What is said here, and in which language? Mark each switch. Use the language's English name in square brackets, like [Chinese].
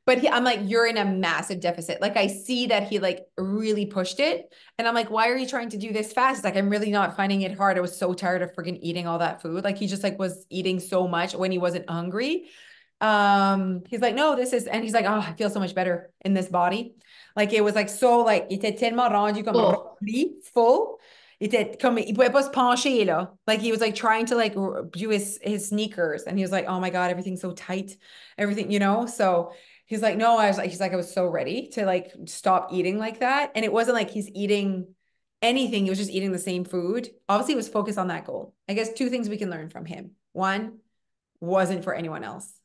[English] But I'm like, you're in a massive deficit. Like I see that he like really pushed it. And I'm like, why are you trying to do this fast? Like, I'm really not finding it hard. I was so tired of freaking eating all that food. Like he just like was eating so much when he wasn't hungry. He's like, no, this is, and he's like, oh, I feel so much better in this body. Like, it was like, so like, [French] il était tellement rendu comme rempli, full, il était comme, il pouvait pas se pencher là. [English] Like, he was like trying to like do his sneakers. And he was like, oh my God, everything's so tight. Everything, you know? So he's like, no, I was like, he's like, I was so ready to like stop eating like that. And it wasn't like he's eating anything. He was just eating the same food. Obviously he was focused on that goal. I guess two things we can learn from him. One, wasn't for anyone else.